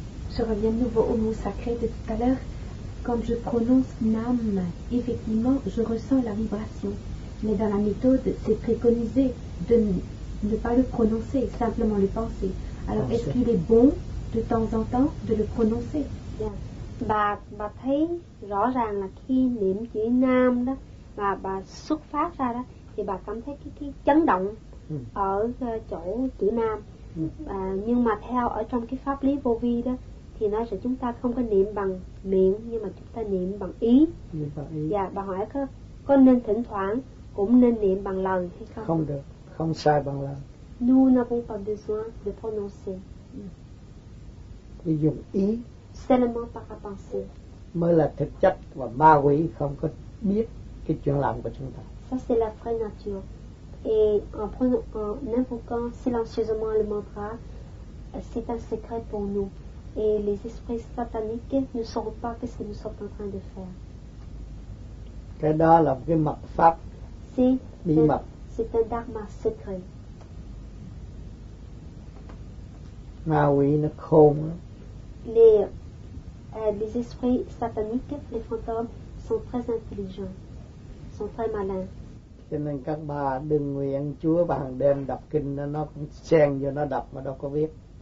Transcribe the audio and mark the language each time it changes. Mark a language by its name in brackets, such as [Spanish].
[French] Je reviens de nouveau au mot sacré de tout à l'heure. Quand je prononce Nam, effectivement, je ressens la vibration. Mais dans la méthode, c'est préconisé de ne pas le prononcer, simplement le penser. Alors, est-ce qu'il est bon, de temps en temps, de le prononcer? [Vietnamese] Bà thấy rõ ràng là khi niệm chữ Nam đó, và bà xuất phát ra đó, thì bà cảm thấy cái chấn động ở chỗ chữ Nam. Nhưng mà theo ở trong cái pháp lý vô vi đó, thì nói là chúng ta không có niệm bằng miệng, nhưng mà chúng ta niệm bằng ý. Dạ, bà hỏi có nên thỉnh thoảng cũng nên niệm bằng lời hay không? Không được, không sai bằng lời. [French] Nous n'avons pas besoin de prononcer. [Vietnamese] Thì dùng ý. [French] Seulement par la pensée. [Vietnamese] Mới là thực chất, và ma quỷ không có biết cái chuyện làm của chúng ta. [French] Ça c'est la vraie nature. Et en invoquant silencieusement le mantra, c'est un secret pour nous. Et les esprits sataniques ne sauront pas ce que nous sommes en train de faire. [Vietnamese] Cái đó là cái mật pháp. [French] C'est un dharma secret. [Vietnamese] Ma quỷ nó khôn. [French] Les esprits sataniques, les fantômes, sont très intelligents, sont très malins. [Vietnamese] Cho nên các bà đừng nguyện Chúa và hàng đêm đọc kinh, nó cũng xen vô nó đọc mà đâu có biết.